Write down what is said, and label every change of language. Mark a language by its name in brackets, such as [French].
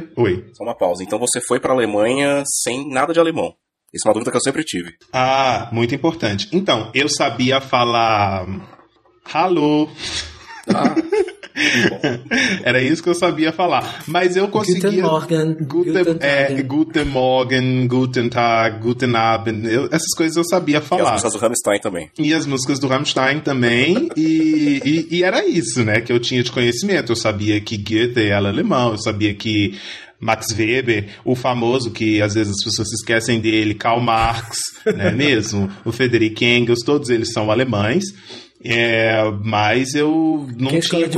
[Portuguese] Leandro, oi. Só uma pausa. Então, você foi para a Alemanha sem nada de alemão? Isso é uma dúvida que eu sempre tive. Ah, muito importante. Então, eu sabia falar hallo. Era isso que eu sabia falar. Mas eu conseguia... [German] Guten Morgen. Guten Morgen, Guten Tag, Guten Abend. [Portuguese] Essas coisas eu sabia falar. E as músicas do Rammstein também. e era isso, né, que eu tinha de conhecimento. Eu sabia que Goethe era alemão, eu sabia que Max Weber, o famoso, que às vezes as pessoas se esquecem dele, Karl Marx, né, mesmo, o Friedrich Engels, todos eles são alemães, mas eu não tinha conhecimento.